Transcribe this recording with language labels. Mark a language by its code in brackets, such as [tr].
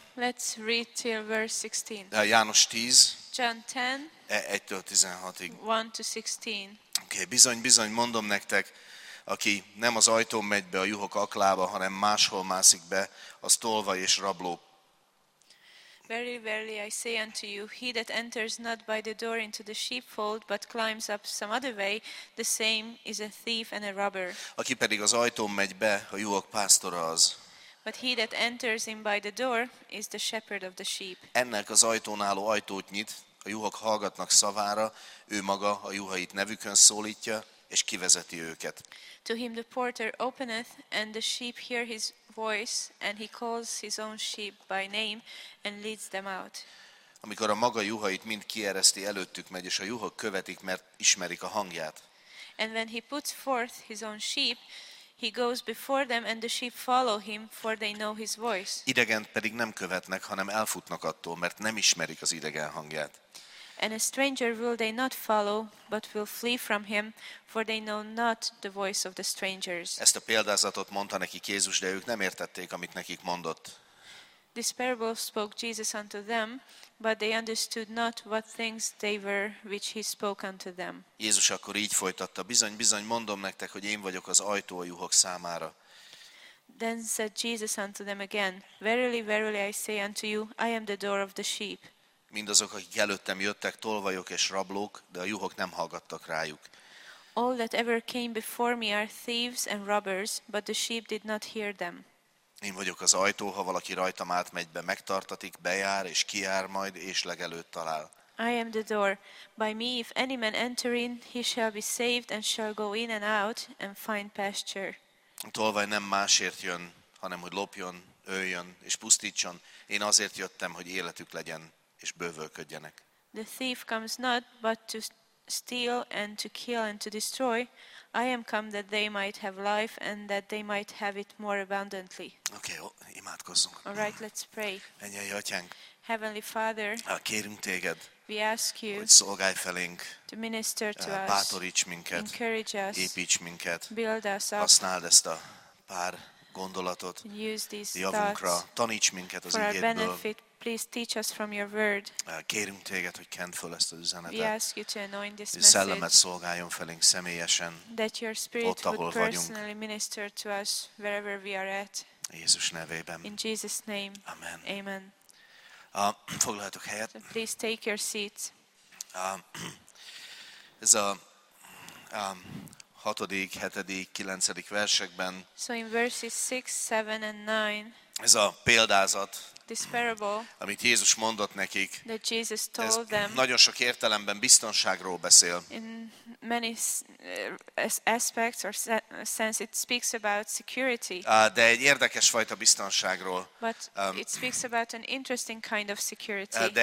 [en] Let's read till verse 16. [hu] János 10. [en] John 10. 1-16. [hu] 1-16. Okay, bizony, mondom nektek, aki nem az ajtón megy be a juhok aklába, hanem máshol mászik be, az tolva és rabló. [en] Verily, verily, I say unto you, he that enters not by the door into the sheepfold, but climbs up some other way, the same is a thief and a robber. [hu] Aki pedig az ajtón megy be, a juhok pásztora az. [en] But he that enters in by the door is the shepherd of the sheep. [hu] Ennek az ajtón álló ajtót nyit, a juhok hallgatnak szavára, ő maga a juhait nevükön szólítja, és kivezeti őket. [en] To him the porter openeth, and the sheep hear his voice, and he calls his own sheep by name, and leads them out. [hu] Amikor a maga juhait mind kiereszti, előttük megy, és a juhok követik, mert ismerik a hangját. [en] And when he puts forth his own sheep, he goes before them, and the sheep follow him, for they know his voice. [hu] Idegent pedig nem követnek, hanem elfutnak attól, mert nem ismerik az idegen hangját. [en] And a stranger will they not follow, but will flee from him, for they know not the voice of the strangers. [hu] Ezt a példázatot mondta nekik Jézus, de ők nem értették, amit nekik mondott. [en] This parable spoke Jesus unto them, but they understood not what things they were which he spoke unto them. [hu] Jézus akkor így folytatta: bizony mondom nektek, hogy én vagyok az ajtó a juhok számára. [en] Then said Jesus unto them again, verily, verily I say unto you, I am the door of the sheep. [hu] Mindazok, akik előttem jöttek, tolvajok és rablók, de a juhok nem hallgattak rájuk. [en] All that ever came before me are thieves and robbers, but the sheep did not hear them. [hu] Én vagyok az ajtó, ha valaki rajtam átmegy, be megtartatik, bejár és kijár majd, és legelőt talál. [en] I am the door. By me, if any man enter in, he shall be saved, and shall go in and out, and find pasture. [hu] A tolvaj nem másért jön, hanem hogy lopjon, öljön és pusztítson. Én azért jöttem, hogy életük legyen, és bővölködjenek. [en] The thief comes not, but to steal and to kill and to destroy. I am come that they might have life and that they might have it more abundantly. [hu] Okay, jó, imádkozzunk. [en] All right, let's pray. [hu] Mennyei Atyánk, [en] Heavenly Father, [hu] kérünk téged, [en] we ask you, [hu] hogy szolgálj felénk, [en] to minister to us, [hu] bátoríts minket, [en] encourage us, [hu] építs minket, [en] build us up, [hu] használd ezt a pár gondolatot, [en] use these [hu] javunkra, [en] thoughts, [hu] taníts minket az ígédből, [en] for our benefit. Please teach us from your word. [hu] Kérünk téged, hogy kent föl ezt az üzenetet. [en] We ask you to anoint this message. [hu] Szellemet szolgáljon felénk személyesen. [en] That your spirit would personally minister to us wherever we are at. [hu] Jézus nevében. [en] In Jesus' name. [hu] Amen. [en] Amen. [hu] Foglaljatok helyet. [en] So please take your seat. [hu] Ez a 6., 7., 9. versekben. [en] So in verses 6, 7 and 9. [hu] Ez a példázat. [en] This parable, [hu] amit Jézus mondott nekik, [en] that Jesus told them, [hu] nagyon sok értelemben biztonságról beszél. [en] In many aspects or sense it speaks about security. [hu] De egy érdekes fajta biztonságról. [en] But it speaks about an interesting kind of security.